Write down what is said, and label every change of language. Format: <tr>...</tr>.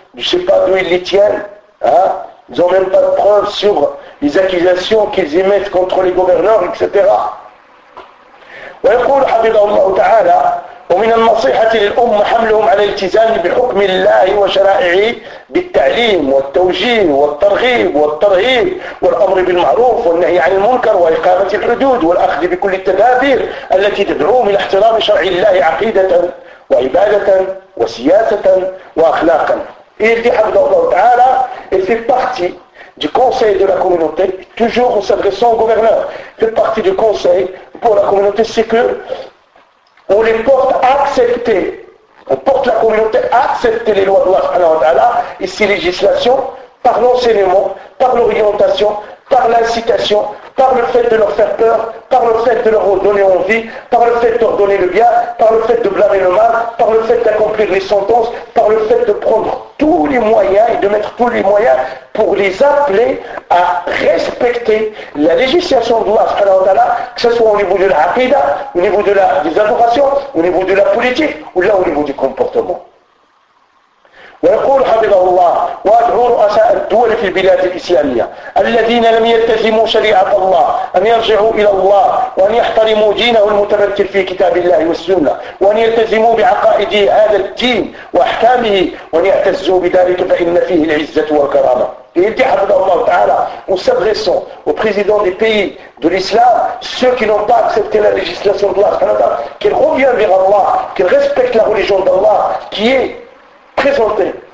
<fr>Je ne sais pas d'où ils les tiennent. Ils n'ont même pas de preuves sur les accusations qu'ils émettent contre les gouverneurs, etc.</fr> <ar>ويقول حفظه الله تعالى: ومن النصيحة للأمة حملهم على الالتزام بحكم الله وشرائعه بالتعليم والتوجيه والترغيب والترهيب والأمر بالمعروف والنهي عن المنكر وإقامة الحدود والأخذ بكل التدابير التي تدعوهم إلى احترام شرع الله عقيدة وعبادة وسياسة وأخلاقا.</ar> <fr>Et il dit, Abdallah Ta'ala, il fait partie du conseil de la communauté, toujours en s'adressant au gouverneur, il fait partie du conseil pour la communauté, c'est que on les porte à accepter, on porte la communauté à accepter les lois de Allah et ses législations par l'enseignement, par l'orientation, par l'incitation, par le fait de leur faire peur, par le fait de leur donner envie, par le fait de leur donner le bien, par le fait de blâmer le mal, par le fait d'accomplir les sentences, par le fait de prendre tous les moyens et de mettre tous les moyens pour les appeler à respecter la législation d'Allah, que ce soit au niveau de la aqida, au niveau de la des adorations, au niveau de la politique, ou là au niveau du comportement.</fr> <ar>ويقول حفظه الله: وأدعو رؤساء الدول في البلاد الإسلامية الذين لم يلتزموا شريعة الله أن يرجعوا إلى الله وأن يحترموا دينه المتمثل في كتاب الله والسنة وأن يلتزموا بعقائد هذا الدين وأحكامه وأن يعتزوا بذلك فإن فيه العزة والكرامة.</ar> <fr>Il dit, Abdallah Ta'ala, en s'adressant aux présidents des pays de l'islam, ceux qui n'ont pas accepté la législation d'Allah, qu'ils reviennent vers Allah, qu'ils respectent la religion d'Allah, qui est présenté</fr>